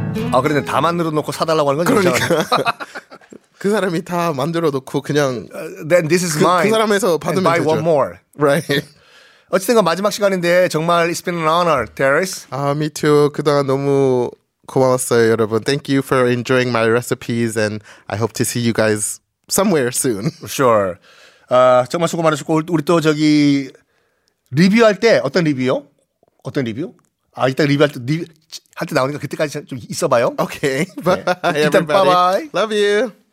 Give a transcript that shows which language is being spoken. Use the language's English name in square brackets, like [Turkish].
[Korean] Ah, 그런데 다 만들어 놓고 사달라고 하는 건 그러니까. 그 사람이 다 만들어 놓고 그냥 [English] then this is mine. [Korean] 그 사람에서 받으면 되죠. [English] And buy one more. Right. [Korean] 어쨌든 마지막 시간인데 정말 [English] it's been an honor, [Korean] Darius. [English] Me too. [Korean] 그동안 너무 고마웠어요, 여러분. [English] Thank you for enjoying my recipes and I hope to see you guys somewhere soon. Sure. [Korean] 정말 수고 많으셨고 우리 또 저기 리뷰할 때 어떤 리뷰요? 어떤 리뷰? 아, 이따 리뷰할 때 리뷰 할 때 나오니까 그때까지 좀 있어봐요. [English] Okay. Bye. [Korean] 네. 일단 [English] everybody. Bye-bye. Love you.